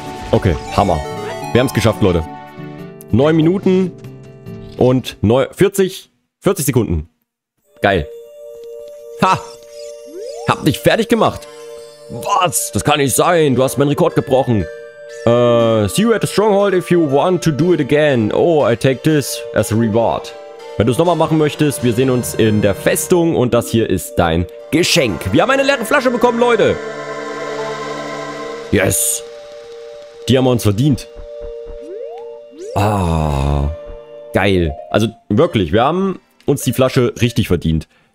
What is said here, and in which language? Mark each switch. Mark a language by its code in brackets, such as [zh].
[de] Okay, Hammer. Wir haben es geschafft, Leute. 9 Minuten und 40 Sekunden. Geil. Ha! Hab dich fertig gemacht. Was? Das kann nicht sein. Du hast meinen Rekord gebrochen. [en] See you at the stronghold if you want to do it again. Oh, I take this as a reward. [de] Wenn du es nochmal machen möchtest, wir sehen uns in der Festung und das hier ist dein Geschenk. Wir haben eine leere Flasche bekommen, Leute. Yes. Die haben wir uns verdient. Ah, geil. Also wirklich, wir haben uns die Flasche richtig verdient.